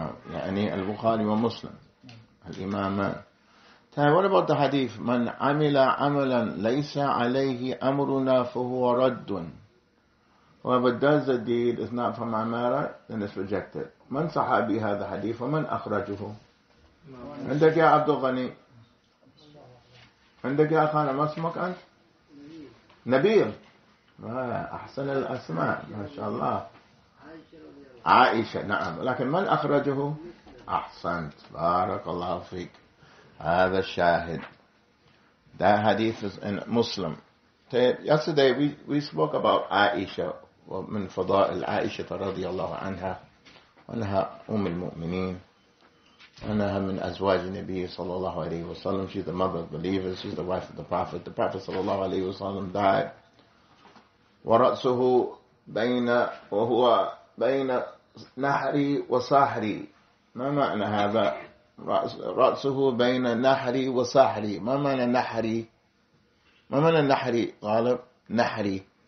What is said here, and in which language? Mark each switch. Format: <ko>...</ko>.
<ar>يعني البخاري ومسلم الإمامان.</ar> <en>What about the hadith?</en> <ar>من عمل عملا ليس عليه أمرنا فهو رد.</ar> <en>Whoever does the deed is not from our merit, then it's rejected.</en> <ar>من صحابي هذا حديث ومن أخرجه؟ عندك يا عبد الغني؟ عندك يا خالد؟ ما اسمك أنت؟ نبيل. أحسن الأسماء ما شاء الله. عائشة. نعم لكن من أخرجه؟ أحسنت بارك الله فيك. هذا الشاهد.</ar> <en>That hadith is in Muslim. Yesterday we spoke about Aisha.</en> <ar>ومن فضائل عائشة رضي الله عنها أنها أم المؤمنين. أنها من أزواج النبي صلى الله عليه وسلم.</ar> <en>She's the mother of believers. She's the wife of the Prophet. The Prophet</en> <ar>صلى الله عليه وسلم</ar> <en>died.</en> <ar>ورأسه بين وهو بين نحري وصحري. ما معنى هذا؟ رأسه بين نحري وصحري. ما معنى نحري؟ ما معنى نحري غالب؟ نحري.</ar>